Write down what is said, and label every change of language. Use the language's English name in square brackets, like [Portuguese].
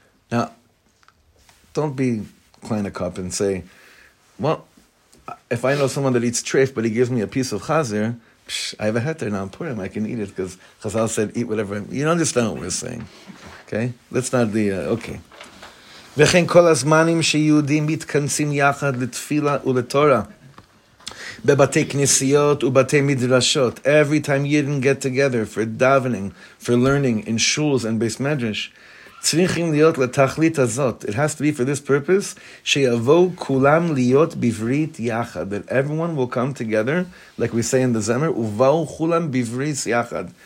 [English] Now, don't be [Yiddish] Kleina Kopp [English] and say, well, if I know someone that eats treif, but he gives me a piece of chazir, psh, I have a heter now, I'm Purim, I can eat it, because Chazal said, eat whatever. You don't understand what we're saying. Okay? Let's not be... Okay. [Hebrew] וכן כל הזמנים שיהודים מתכנסים יחד לתפילה ולתורה בבתי כנסיות ובתי מדרשות. [English] Every time you didn't get together for davening, for learning in shuls and base medrash, [Hebrew] צריכים להיות לתכלית הזאת. [English] It has to be for this purpose, [Hebrew] שיבואו כולם להיות בברית יחד. [English] That everyone will come together, like we say in the Zemer, [Hebrew] ובאו כולם בברית יחד.